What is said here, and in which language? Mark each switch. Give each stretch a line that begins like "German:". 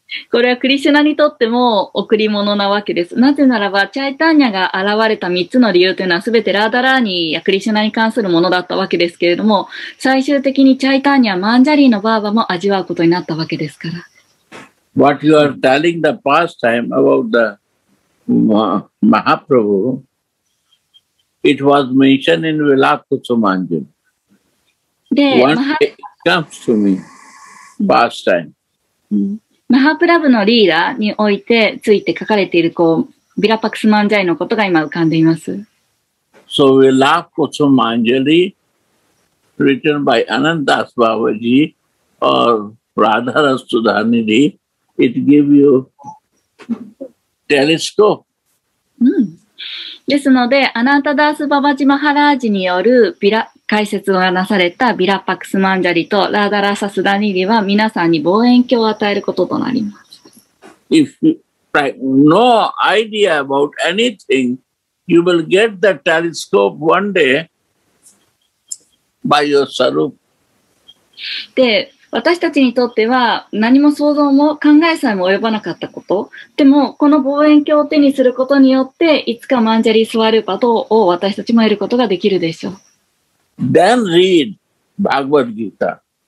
Japanese: これはクリシュナにとっても贈り物なわけです。なぜならば、チャイタンニャが現れた3つの理由というのは、すべてラーダラーニーやクリシュナに関するものだったわけですけれども、最終的にチャイタンニャ、マンジャリーのバーバも味わうことになったわけですから。
English: What you are telling the past time about the Mahaprabhu, it was mentioned in Vilakutsumanjum. It comes to me, past time.、
Japanese: マハプラブのリーダーにおいてついて書かれているこうビラパクスマンジャイのことが今浮かんでいます。
English: So Vilakutsu Manjari written by Anandas Babaji or Radharas Sudhanidhi, it gives you telescope.、
Japanese: うん、ですので、アナンタダース・ババジ・マハラージによるビラ解説がなされたビラパクスマンジャリとラダラサスダニリは皆さんに望遠鏡を与えることとなります。
English: If you have no idea about anything, you will get the telescope one day by your sarup.
Japanese: で、私たちにとっては何も想像も考えさえも及ばなかったこと。でも、この望遠鏡を手にすることによって、いつかマンジャリスワルパとを私たちも得ることができるでしょう。
English: Then read Bhagavad Gita.